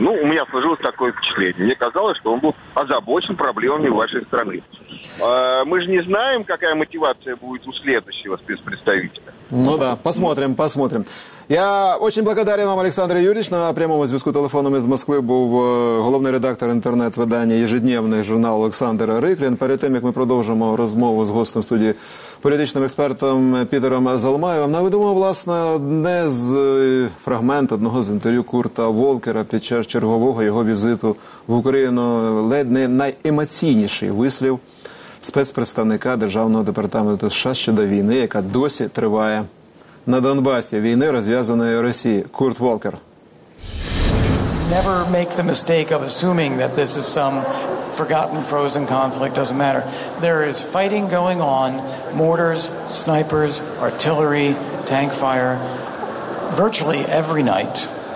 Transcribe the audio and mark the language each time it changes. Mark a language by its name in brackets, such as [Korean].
[Russian] Ну, у меня сложилось такое впечатление. Мне казалось, что он был озабочен проблемами вашей страны. Мы же не знаем, какая мотивация будет у следующего спецпредставителя. Ну да, посмотрим, посмотрим. Я очень благодарен вам, Александр Юрьевич. На прямом [Ukrainian] зв'язку телефоном [Russian] из Москвы был главный редактор интернет-видания «Ежедневный журнал» Олександр Риклін. Перед тем, как мы продолжим разговор с гостем студии, [Ukrainian] політичним експертом Пітером Залмаєвим, наведемо, власне, одне з фрагмент одного з інтерв'ю Курта Волкера під час чергового його візиту в Україну. Ледь не найемоційніший вислів спецпредставника Державного департаменту США щодо війни, яка досі триває на Донбасі, війни, розв'язаної Росією. Курт Волкер. [English] Never make the mistake of assuming that this is some forgotten, frozen conflict, doesn't matter. There is fighting going on, mortars, snipers, artillery, tank fire, virtually every night.